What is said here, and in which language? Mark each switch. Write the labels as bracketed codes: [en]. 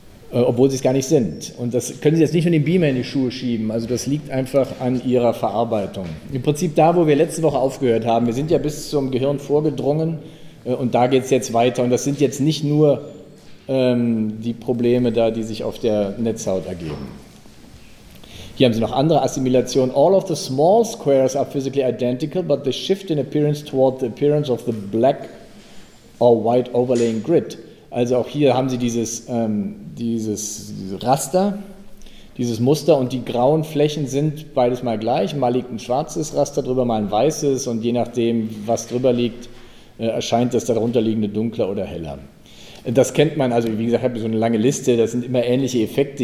[de] Obwohl sie es gar nicht sind. Und das können Sie jetzt nicht mit dem Beamer in die Schuhe schieben. Also das liegt einfach an Ihrer Verarbeitung. Im Prinzip da, wo wir letzte Woche aufgehört haben. Wir sind ja bis zum Gehirn vorgedrungen und da geht es jetzt weiter. Und das sind jetzt nicht nur die Probleme da, die sich auf der Netzhaut ergeben. Hier haben Sie noch andere Assimilationen. [en] All of the small squares are physically identical, but the shift in appearance toward the appearance of the black or white overlaying grid. [de] Also auch hier haben Sie dieses Raster, dieses Muster und die grauen Flächen sind beides mal gleich. Mal liegt ein schwarzes Raster drüber, mal ein weißes und je nachdem, was drüber liegt, erscheint das darunterliegende dunkler oder heller. Das kennt man, also wie gesagt, ich habe so eine lange Liste, das sind immer ähnliche Effekte.